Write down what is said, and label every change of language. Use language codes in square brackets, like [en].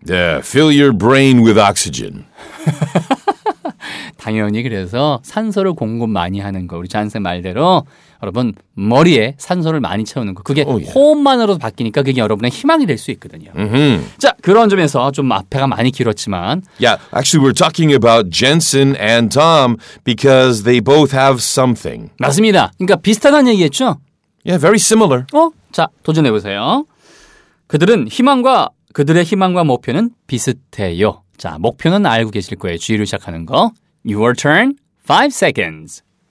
[en] Yeah, fill your brain with oxygen. [ko] 당연히 그래서 산소를 공급 많이 하는 거 우리 잔생 말대로 여러분 머리에 산소를 많이 채우는 거 그게 [en] oh, yeah. [ko] 호흡만으로도 바뀌니까 그게 여러분의 희망이 될 수 있거든요. Mm-hmm. 자 그런 점에서 좀 앞에가 많이 길었지만 [en] Yeah, actually we're talking about Jensen and Tom because they both have something. [ko] 맞습니다. 그러니까 비슷하다는 얘기였죠? [en] Yeah, very similar. [ko] 어? 자 도전해보세요. 그들은 희망과 그들의 희망과 목표는 비슷해요. 자 목표는 알고 계실 거예요. G로 시작하는 거. [en] Your turn. 5 seconds.